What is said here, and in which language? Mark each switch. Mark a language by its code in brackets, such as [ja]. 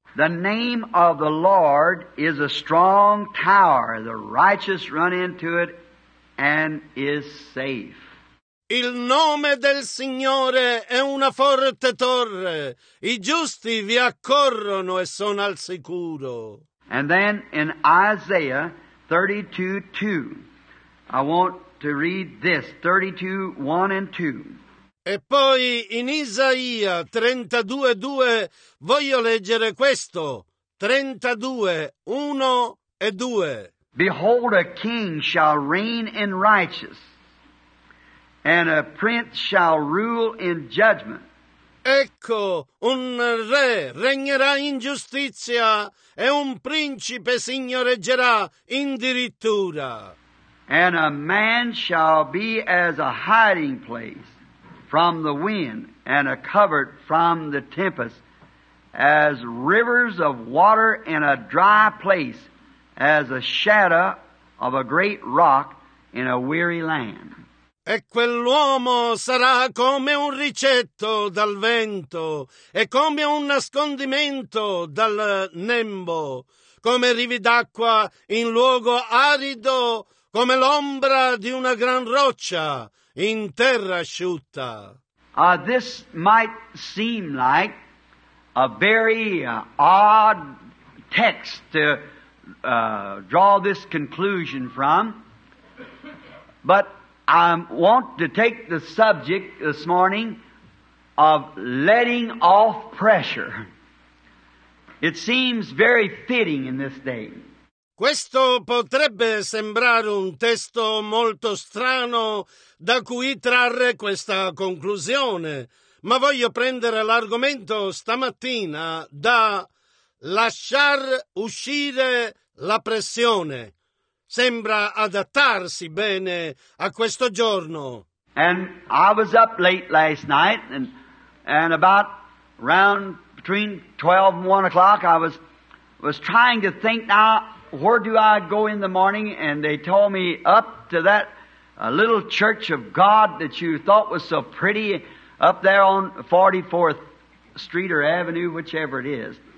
[en] The name of the Lord is a strong tower. The righteous run into it and is safe. [it] Il nome del Signore è una forte torre. I giusti vi accorrono e sono al sicuro. [en] And then in Isaiah 32:2, I want to read this, 32:1-2. [it] E poi in Isaia 32:2 voglio leggere questo, 32:1-2. [en] Behold, a king shall reign in righteousness. And a prince shall rule in judgment. [it] Ecco, un re regnerà in giustizia e un principe signoreggerà in dirittura. [en] And a man shall be as a hiding place from the wind and a covert from the tempest, as rivers of water in a dry place, as a shadow of a great rock in a weary land. [it] E quell'uomo sarà come un ricetto dal vento e come un nascondimento dal nembo, come rivi d'acqua in luogo arido, come l'ombra di una gran roccia in terra asciutta. [en] This might seem like a very odd text to draw this conclusion from, but I want to take the subject this morning of letting off pressure. It seems very fitting in this day. [it] Questo potrebbe sembrare un testo molto strano da cui trarre questa conclusione, ma voglio prendere l'argomento stamattina da lasciar uscire la pressione. Sembra adattarsi bene a questo giorno. [en] And I was up late last night and about around between 12 and 1 o'clock I was trying to think now where do I go in the morning, and they told me up to that little church of God that you thought was so pretty up there on 44th Street or Avenue, whichever it is.